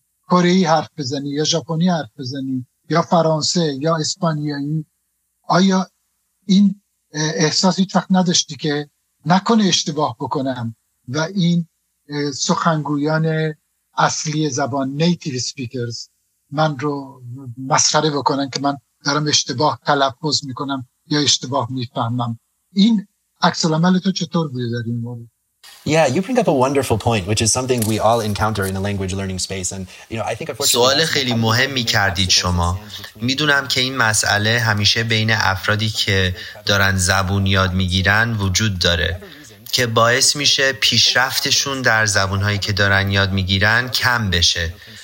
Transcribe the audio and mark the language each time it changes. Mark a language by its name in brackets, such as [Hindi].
[Persian] کره‌ای حرف بزنی یا ژاپنی حرف بزنی یا فرانسه یا اسپانیایی، آیا این احساس هیچ وقت نداشتی که نکنه اشتباه بکنم و این سخنگویان اصلی زبان نیتیو سپیکرز من رو مسخره بکنن که من دارم اشتباه تلفظ میکنم یا اشتباه میفهمم؟ این عکس العمل تو چطور بوده در این مورد؟ [English] Yeah, you bring up a wonderful point, which is something we all encounter in the language learning space. And you know, I think [Persian] سوال خیلی مهمی کردید شما. میدونم که این مسئله همیشه بین افرادی که دارن زبون یاد میگیرن وجود داره که باعث میشه پیشرفتشون در زبونهایی که دارن یاد میگیرن کم بشه.